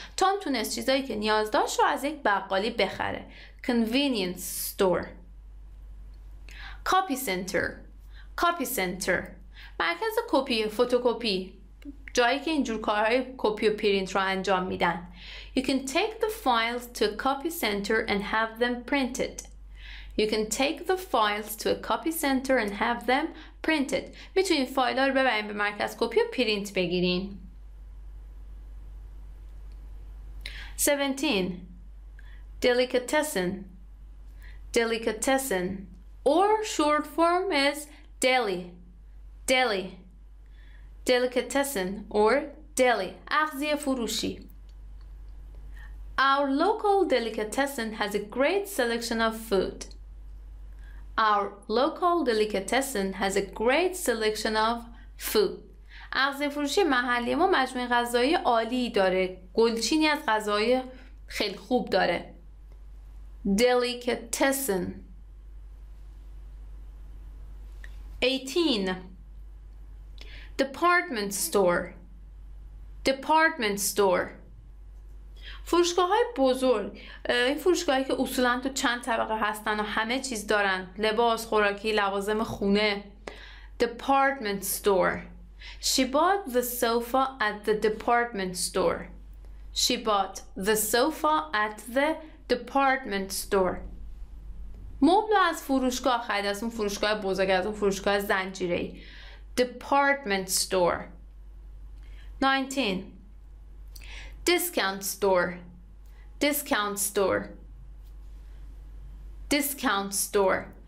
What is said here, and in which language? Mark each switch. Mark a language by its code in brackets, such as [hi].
[fa] Tom تونست چیزایی که نیاز داشت رو از یک بقالی بخره. [en] Convenience store. Copy center. Copy center. [fa] مرکز کپی، فوتوکپی. جایی که اینجور کارهای کپی و پرینت رو انجام میدن. [en] You can take the files to a copy center and have them printed. You can take the files to a copy center and have them printed. [fa] میتونین فایل‌ها رو ببرین به مرکز کپی و پرینت بگیرین. [en] 17. Delicatessen. Delicatessen. Or short form is deli. Deli. Delicatessen or deli. [fa] اغذیه فروشی. [en] Our local delicatessen has a great selection of food. Our local delicatessen has a great selection of food. [fa] اغذیه فروشی محلی ما مجموعه غذایی عالی داره. گلچینی از غذای خیلی خوب داره. [en] Delicatessen. 18. Department store. Department store. [fa] فروشگاه‌های بزرگ، این فروشگاهی که اصولاً تو چند طبقه هستن و همه چیز دارن، لباس، خوراکی، لوازم خونه. [en] Department store. She bought the sofa at the department store. She bought the sofa at the department store. [fa] مبل از فروشگاه خرید، از اون فروشگاه بزرگ، از اون فروشگاه زنجیره‌ای. [en] Department store. 19. Discount store. Discount store. Discount store.